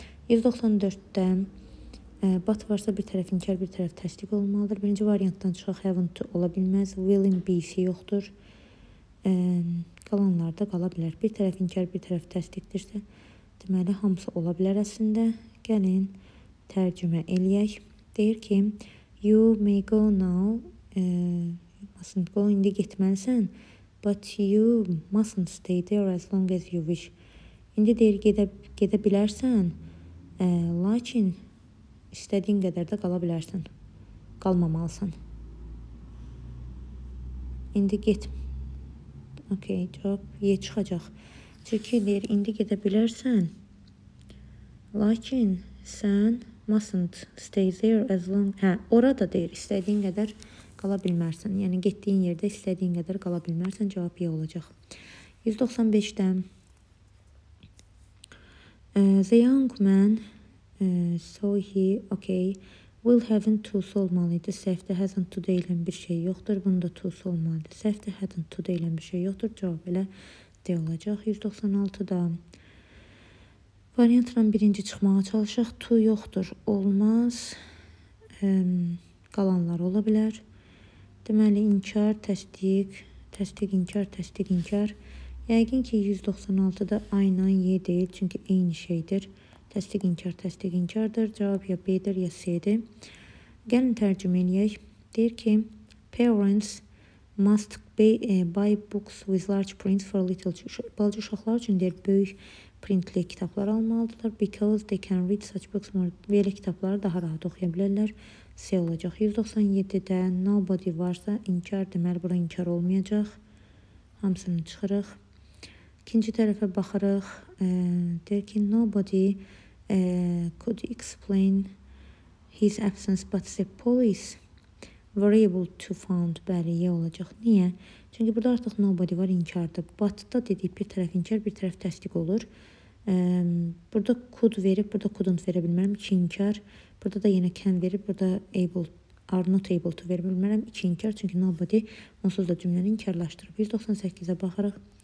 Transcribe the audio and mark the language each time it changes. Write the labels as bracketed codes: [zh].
[az] 194-də but varsa bir tərəf inkar, bir tərəf təsdiq olmalıdır. Birinci variantdan çıxaq, haven't ola bilməz. Willing BC yoxdur. Qalanlar da qala bilər. Bir tərəf inkar, bir tərəf təsdiqdirsə, deməli, hamısı ola bilər əslində. Gəlin, tərcümə eləyək. Deyir ki, [en] you may go now, mustn't go, [az] indi getməlisən, [en] but you mustn't stay there as long as you wish. [az] İndi deyir, gedə bilərsən, lakin istədiyin qədər də qala bilərsən, qalmamalısın. İndi get, okay, cavab Y çıxacaq. Çünki deyir, indi gedə bilərsən, lakin sən [en] mustn't stay there as long... [az] Hə, orada deyir, istədiyin qədər qala bilmərsən. Yəni, getdiyin yerdə istədiyin qədər qala bilmərsən, cavab Y olacaq. 195-də [en] the young man saw he, [az] okay, will haven't tools olmalıydı. Səhvdə hasn't to deyilən bir şey yoxdur. Bunda tools olmalıydı. Səhvdə hasn't to deyilən bir şey yoxdur. Cavab elə deyə olacaq. 196-da variantla birinci çıxmağa çalışaq. To yoxdur. Olmaz. Qalanlar ola bilər. Deməli, inkar, təsdiq, təsdiq, inkar, təsdiq, inkar. Yəqin ki, 196-da aynı Y deyil, çünki eyni şeydir. Təsdiq, inkar, təsdiq, inkardır. Cavab ya B-dir, ya C-dir. Gəlin tərcümə eləyək. Deyir ki, [en] parents must buy books with large prints for little children. [az] Balaca uşaqlar üçün deyir, böyük printli kitablar almalıdırlar. [en] Because they can read such books more. [az] Belə kitabları daha rahat oxuya bilərlər. C olacaq. 197-də nobody varsa inkar. Deməli, bura inkar olmayacaq. Hamısını çıxırıq. İkinci tərəfə baxırıq. Deyir ki, [en] nobody could explain his absence, but the police were able to found. [az] Bəli, ye olacaq. Niyə? Çünki burada artıq nobody var, inkardır. But da dedik, bir tərəf inkar, bir tərəf təsdiq olur. Burada could verib, burada couldn't verə bilmərəm. İki inkar. Burada da yenə can verib, burada able, are not able to verə bilmərəm. İki inkar, çünki nobody onsuz da cümləni inkarlaşdırıb. 198-ə baxırıq.